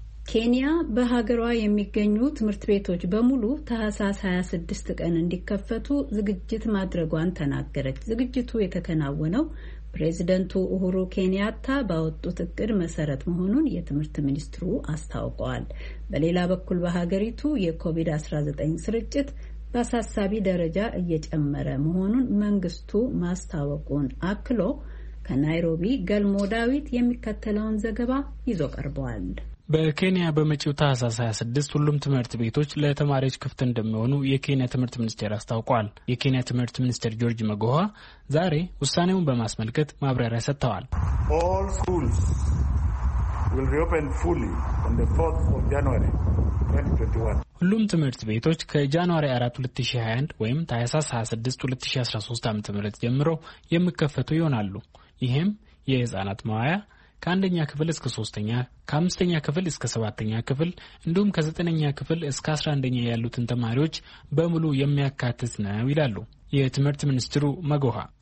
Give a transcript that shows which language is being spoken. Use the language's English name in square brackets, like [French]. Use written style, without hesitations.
[Amharic] ኬንያ በሀገሯ የሚገኙ ትምህርት ቤቶች በሙሉ ታህሳስ 26 ቀን እንዲከፈቱ ዝግጅት ማድረጓን ተናገረች። ዝግጅቱ የተከናወነው ፕሬዝደንቱ ኡሁሩ ኬንያታ ባወጡት እቅድ መሰረት መሆኑን የትምህርት ሚኒስትሩ አስታውቀዋል። በሌላ በኩል በሀገሪቱ የኮቪድ-19 ስርጭት በአሳሳቢ ደረጃ እየጨመረ መሆኑን መንግስቱ ማስታወቁን አክሎ ከናይሮቢ ገልሞ ዳዊት የሚከተለውን ዘገባ ይዞ ቀርቧል። በኬንያ በመጪው ታህሳስ 26 ሁሉም ትምህርት ቤቶች ለተማሪዎች ክፍት እንደሚሆኑ የኬንያ ትምህርት ሚኒስቴር አስታውቋል። የኬንያ ትምህርት ሚኒስቴር ጆርጅ መጎሃ ዛሬ ውሳኔውን በማስመልከት ማብራሪያ ሰጥተዋል። [English] All schools will reopen fully on the 4th of January. [Amharic] ሁሉም ትምህርት ቤቶች ከጃንዋሪ 4 2021 ወይም ታህሳስ 26 2013 ዓ.ም ጀምሮ የሚከፈቱ ይሆናሉ። ይህም የህፃናት መዋያ፣ ከአንደኛ ክፍል እስከ ሶስተኛ፣ ከአምስተኛ ክፍል እስከ ሰባተኛ ክፍል እንዲሁም ከዘጠነኛ ክፍል እስከ 11ኛ ያሉትን ተማሪዎች በሙሉ የሚያካትት ነው ይላሉ የትምህርት ሚኒስትሩ መጎሃ።